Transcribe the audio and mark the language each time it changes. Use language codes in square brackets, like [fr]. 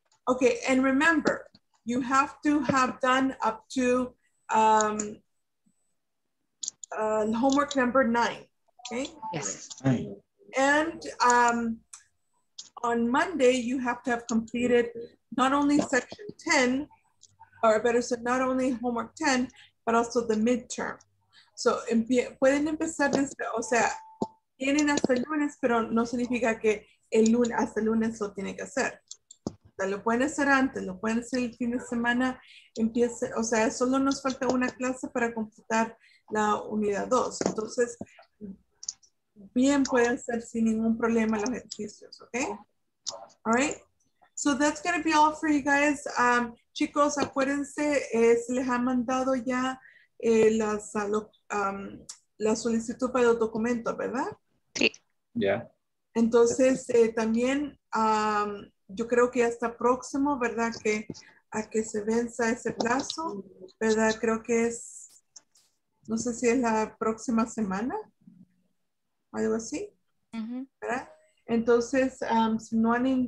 [en] Okay, and remember, you have to have done up to homework number 9, okay? Yes. And on Monday, you have to have completed not only section 10, or better said, not only homework 10, but also the midterm. [es] So, pueden empezar desde, o sea, tienen hasta el lunes, pero no significa que el lunes, hasta el lunes lo tienen que hacer. O sea, lo pueden hacer antes, lo pueden hacer el fin de semana, empiece, o sea, solo nos falta una clase para completar la unidad 2. Entonces, bien pueden hacer sin ningún problema los ejercicios, okay? [en] All right? So that's going to be all for you guys. [es] Chicos, acuérdense, se les ha mandado ya la solicitud para los documentos, ¿verdad? Sí. Ya. Yeah. Entonces, también yo creo que ya está próximo, ¿verdad? A que se venza ese plazo, ¿verdad? Creo que es, no sé si es la próxima semana, algo así, ¿verdad? Entonces, si no han